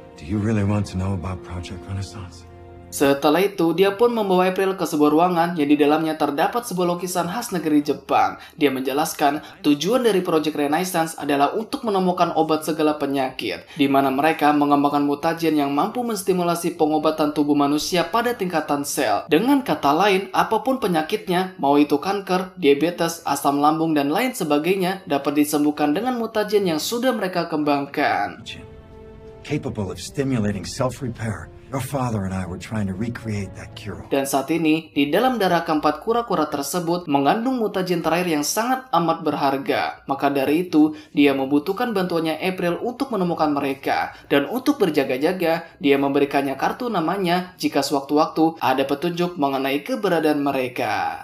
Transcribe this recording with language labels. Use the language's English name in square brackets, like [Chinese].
[English] Do you really want to know about Project Renaissance? [Indonesian] Setelah itu, dia pun membawa April ke sebuah ruangan yang di dalamnya terdapat sebuah lukisan khas negeri Jepang. Dia menjelaskan, tujuan dari Project Renaissance adalah untuk menemukan obat segala penyakit, di mana mereka mengembangkan mutagen yang mampu menstimulasi pengobatan tubuh manusia pada tingkatan sel. Dengan kata lain, apapun penyakitnya, mau itu kanker, diabetes, asam lambung, dan lain sebagainya, dapat disembuhkan dengan mutagen yang sudah mereka kembangkan. [English] Capable of stimulating self-repair. Your father and I were trying to recreate that cure. [Indonesian] Dan saat ini, di dalam darah keempat kura-kura tersebut mengandung mutagen terakhir yang sangat amat berharga. Maka dari itu, dia membutuhkan bantuannya April untuk menemukan mereka. Dan untuk berjaga-jaga, dia memberikannya kartu namanya jika sewaktu-waktu ada petunjuk mengenai keberadaan mereka.